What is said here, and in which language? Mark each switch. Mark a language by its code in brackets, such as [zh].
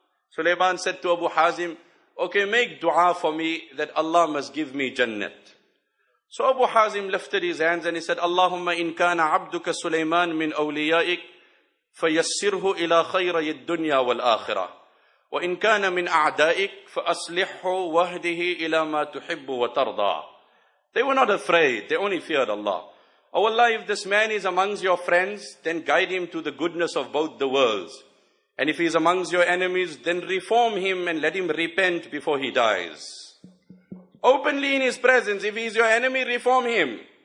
[en] Sulaiman said to Abu Hazim, okay, make dua for me that Allah must give me jannat. So Abu Hazim lifted his hands and he said, [ar] Allahumma in kana abduka Sulaiman min awliyaik, fayassirhu ila khayra yid dunya wal akhirah. وإن كان من أعدائك فأصلحه وهده إلى ما تحب وترضى. [en] They were not afraid, they only feared Allah. Oh Allah, if this man is amongst your friends, then guide him to the goodness of both the worlds. And if he is amongst your enemies, then reform him and let him repent before he dies. Openly in his presence, if he is your enemy, reform him.